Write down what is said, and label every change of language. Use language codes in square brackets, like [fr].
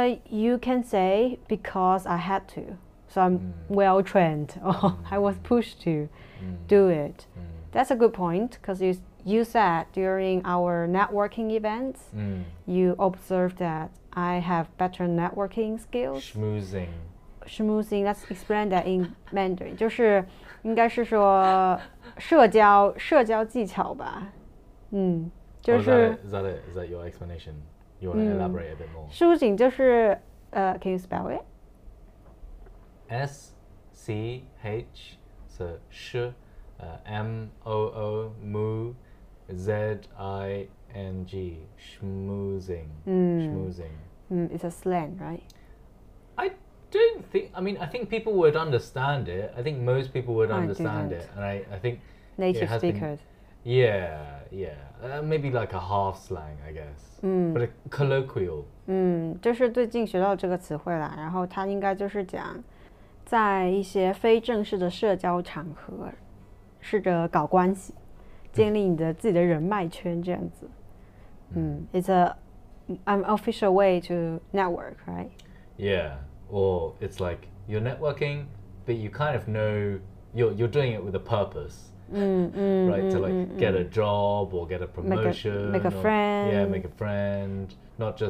[en] You can say because I had to, so I'm well trained, or I was pushed to do it. That's a good point, because you said during our networking events, you observed that I have better networking skills. Schmoozing. Let's explain that in Mandarin. [zh] 就是应该是说社交技巧吧。就是 [en] is that your explanation? You want to elaborate a bit more? [zh] 书景就是 [en] can you spell it? S-C-H, so sh, M-O-O, mu, Z-I-N-G, schmoozing. It's a slang, right? I don't think, I mean, I think people would understand it. I think most people would understand it. And I think native speakers. Yeah, maybe like a half slang, I guess. But a colloquial. [zh] 就是最近学到这个词汇啦，然后它应该就是讲在一些非正式的社交场合试着搞关系，建立你的自己的人脉圈这样子。 [en] It's an official way to network, right? Yeah, or it's like you're networking, but you kind of know you're doing it with a purpose. Right, to like get a job or get a promotion. Make a friend. Yeah, make a friend. Not just